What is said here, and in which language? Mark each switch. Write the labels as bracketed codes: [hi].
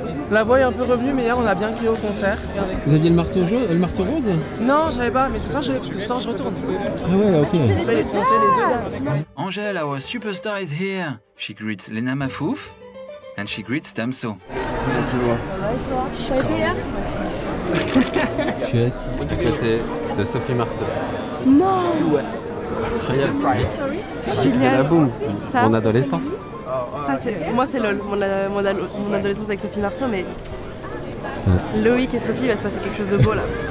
[fr] La voix est un peu revenue, mais hier on a bien crié au concert. Vous aviez le marteau rose? Non, j'avais pas, mais ce soir j'avais, parce que ce soir je retourne. Ah ouais, ok. [en] Angèle, our superstar is here. She greets Lena Mafouf and she greets Tamso. [fr] Je suis assis à côté de Sophie Marceau. Non. C'est la boum, mon adolescence. Ça, c'est... Moi c'est LOL, mon adolescence avec Sophie Marceau, mais Loïc et Sophie, il va se passer quelque chose de beau là.